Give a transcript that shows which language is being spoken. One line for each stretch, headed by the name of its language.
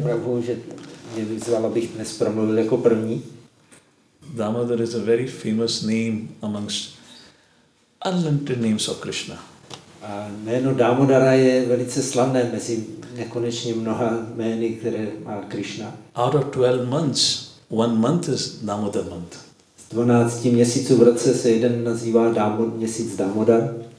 Czech: Prabhu, že mě vyzval, abych dnes promluvil jako první.
English: Damodar is a very famous name amongst unlimited names of Krishna.
Czech: A jméno Damodara je velice slavné mezi nekonečně mnoha jmény, které má Krishna.
English: Out of 12 months, one month is Damodar month.
Czech: Z 12 měsíců v roce se jeden nazývá měsíc Damodar.